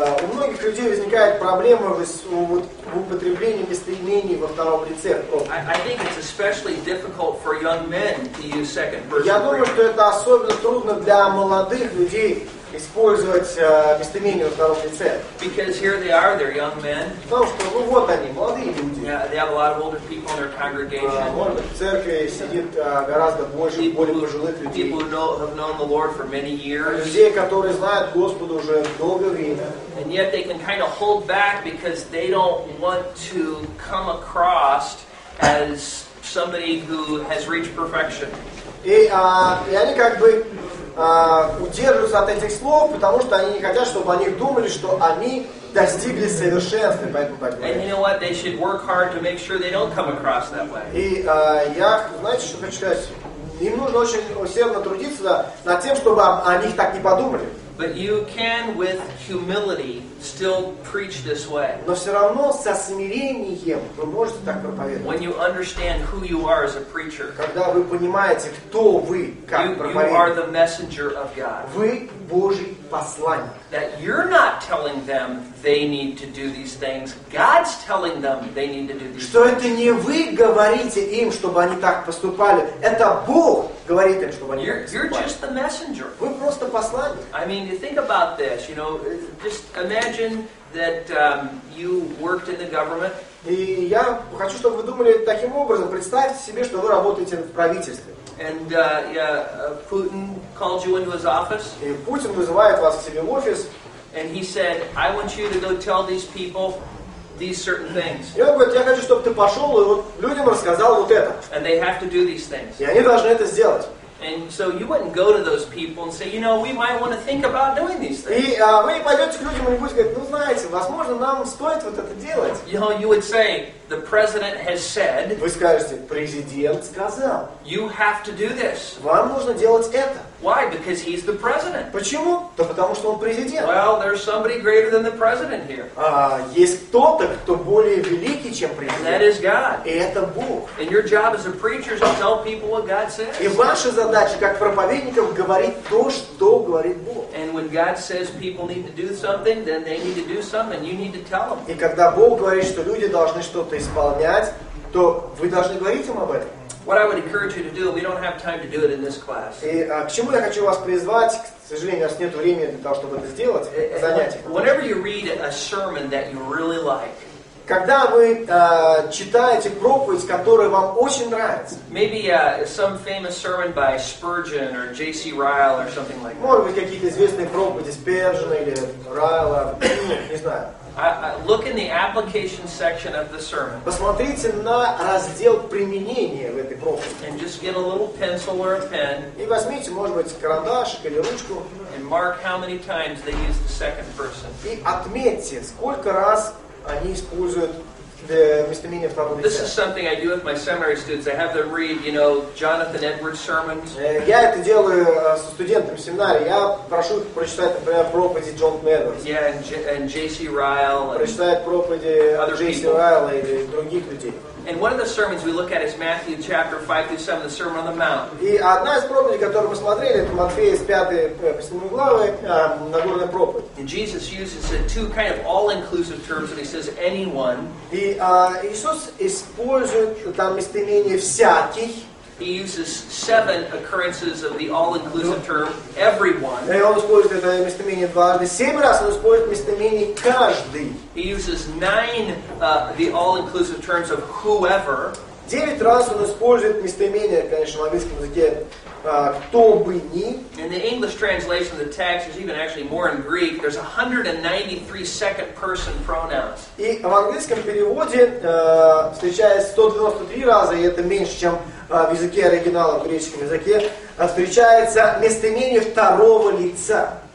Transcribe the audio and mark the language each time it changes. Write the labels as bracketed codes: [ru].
[ru] У многих людей возникает проблема в употреблении местоимений во втором лице. [en] I think it's especially difficult for young men to use second person. [ru] Я думаю, что это особенно трудно для молодых людей использовать местоимения во втором лице. [en] Because here they are, they're young men. [ru] Потому что, ну вот они, молодые люди. [en] Yeah, they have a lot of older people in their congregation. [ru] Может быть, в церкви сидит гораздо больше, более пожилых людей. [en] People who have known the Lord for many years. [ru] Людей, которые знают Господа уже долгое время. [en] And yet they can kind of hold back because they don't want to come across as somebody who has reached perfection. [ru] И они как бы удерживаются от этих слов, потому что они не хотят, чтобы они думали, что они достигли совершенства. [en] And you know what? They should work hard to make sure they don't come across that way. [ru] И я, знаете, что хочу сказать? Им нужно очень усердно трудиться над тем, чтобы о них так не подумали. [en] But you can, with humility, still preach this way. [ru] Но все равно со смирением вы можете так проповедовать. [en] When you understand who you are as a preacher. [ru] Когда вы понимаете, кто вы как проповедник. [en] You are the messenger of God. [ru] Вы Божий посланник. [en] That you're not telling them they need to do these things. God's telling them they need to do these [ru] Что это не вы говорите им, чтобы они так поступали. Это Бог говорит им, чтобы они так поступали. [en] You're just the messenger. [ru] Вы просто посланник. [en] I mean, you think about this, you know, just imagine that you worked in the government. [ru] И я хочу, чтобы вы думали таким образом. Представьте себе, что вы работаете в правительстве. [en] And Putin called you into his office. [ru] И Путин вызывает вас к себе в офис. [en] And he said, I want you to go tell these people these certain things. [ru] И он говорит, я хочу, чтобы ты пошел и вот людям рассказал вот это. [en] And they have to do these things. [ru] И они должны это сделать. [en] And so you wouldn't go to those people and say, you know, we might want to think about doing these things. [ru] И вы не пойдете к людям и будете говорить, ну знаете, возможно, нам стоит вот это делать. [en] You know, you would say, the president has said. [ru] Вы скажете, президент сказал. [en] You have to do this. [ru] Вам нужно делать это. [en] Why? Because he's the president. [ru] Почему? Да потому что он президент. [en] Well, there's somebody greater than the president here. [ru] Есть кто-то, кто более великий, чем президент. [en] And that is God. [ru] И это Бог. [en] And your job as a preacher is to tell people what God says. [ru] И ваша задача как проповедников говорить то, что говорит Бог. [en] And when God says people need to do something, then they need to do something. You need to tell them. [ru] И когда Бог говорит, что люди должны что-то исполнять, то вы должны говорить им об этом. [en] What I would encourage you to do, we don't have time to do it in this class. [ru] И к чему я хочу вас призвать, к сожалению, у нас нет времени для того, чтобы это сделать, занятие. [en] Whenever you read a sermon that you really like, [ru] когда вы читаете проповедь, которая вам очень нравится, [en] maybe some famous sermon by Spurgeon or J.C. Ryle or something like that. [ru] Может быть, какие-то известные проповеди Спержена или Райла, не знаю. [en] Look in the application section of the sermon. [ru] Посмотрите на раздел применения в этой проповеди. [en] And just get a little pencil or a pen. [ru] И возьмите, может быть, карандашик или ручку. [en] And mark how many times they use the second person. [ru] И отметьте, сколько раз они используют [en] This is something I do with my seminary students. I have them read, you know, Jonathan Edwards sermons. [ru] Я это делаю со студентами семинарии. Я прошу их прочитать, например, проповеди Джонатана Эдвардса. [en] Yeah, and J.C. Ryle. [ru] Прочитают проповеди J.C. Ryle или других людей. [en] And one of the sermons we look at is Matthew chapter 5 through 7, the Sermon on the Mount. [ru] И одна из проповедей, которую мы смотрели, это Матфея с 5 главы, Нагорная проповедь. [en] And Jesus uses two kind of all-inclusive terms, and he says anyone. [ru] И Иисус использует там местоимение всякий. [en] He uses seven occurrences of the all-inclusive term everyone. [ru] И он использует это местоимение дважды. Семь раз он использует местоимение каждый. [en] He uses nine the all-inclusive terms of whoever. [ru] Девять раз он использует местоимение, конечно, в английском языке кто бы ни. [en] In the English translation of the text, there's even actually more in Greek. There's 193 second person pronouns. [ru] И в английском переводе встречается 193 раза, и это меньше, чем в языке оригинала, в греческом языке, встречается местоимение второго лица.